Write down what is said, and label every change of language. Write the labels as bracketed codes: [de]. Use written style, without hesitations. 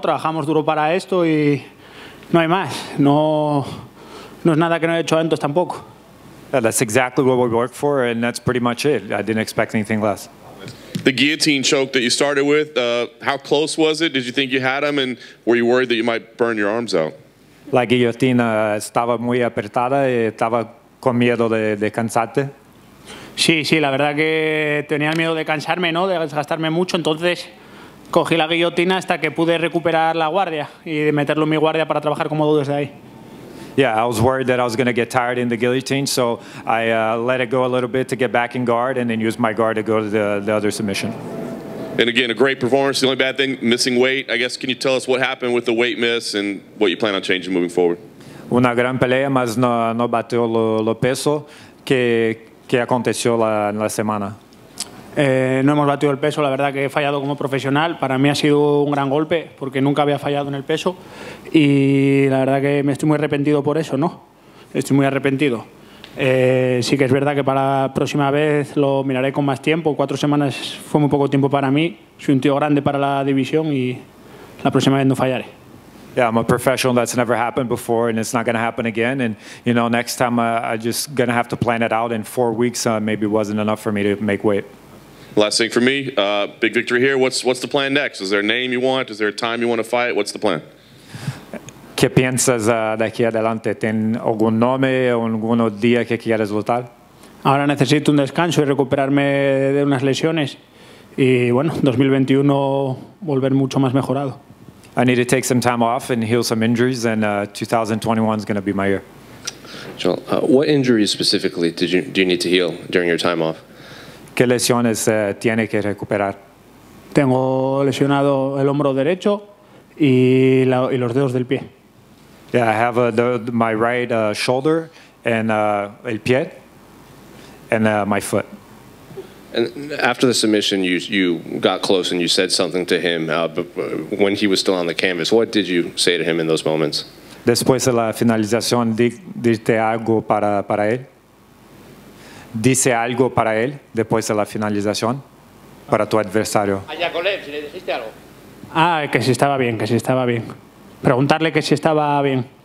[es] Trabajamos duro para esto y no hay más. No es nada que no haya hecho antes tampoco. [en] Yeah, that's exactly what we work for, and that's pretty much it. I didn't expect anything less. The guillotine choke that you started with, how close was it? Did you think you had him, and were you worried that you might burn your arms out? [es] La guillotina estaba muy apretada y estaba con miedo de cansarte. Sí, la verdad que tenía miedo de cansarme, ¿no? De desgastarme mucho, entonces cogí la guillotina hasta que pude recuperar la guardia y meterlo en mi guardia para trabajar cómodo desde ahí. [en] Yeah, I was worried that I was going to get tired in the guillotine, so I let it go a little bit to get back in guard and then use my guard to go to the other submission. And again, a great performance. The only bad thing, missing weight. I guess, can you tell us what happened with the weight miss and what you plan on changing moving forward? [es] Una gran pelea, mas no bateu lo peso que aconteció la semana. No hemos batido el peso, la verdad que he fallado como profesional. Para mí ha sido un gran golpe porque nunca había fallado en el peso y la verdad que me estoy muy arrepentido por eso, ¿no? Estoy muy arrepentido. Sí que es verdad que para la próxima vez lo miraré con más tiempo. 4 semanas fue muy poco tiempo para mí. Soy un tío grande para la división y la próxima vez no fallaré. [en] Yeah, I'm a professional. That's never happened before, and it's not going to happen again. And you know, next time I'm just going to have to plan it out. In 4 weeks, maybe wasn't enough for me to make weight. Last thing for me, big victory here. What's the plan next? Is there a name you want? Is there a time you want to fight? What's the plan? [es] ¿Qué piensas daqui adelante? ¿Ten algún nombre o algún día que quieras lutar? Ahora necesito un descanso y recuperarme de unas lesiones. Y bueno, 2021 volver mucho más mejorado. [en] I need to take some time off and heal some injuries, and 2021 is going to be my year. Joel, what injuries specifically do you need to heal during your time off? [es] ¿Qué lesiones tiene que recuperar? Tengo lesionado el hombro derecho y los dedos del pie. [en] Yeah, I have my right shoulder and [es] el pie [en] and my foot. And after the submission, you got close and you said something to him when he was still on the canvas. What did you say to him in those moments? [es] Después de la finalización, dije algo para él. Dice algo para él después de la finalización para tu adversario. A Yakolev, si le dijiste algo. Ah, que si estaba bien, que si estaba bien. Preguntarle que si estaba bien.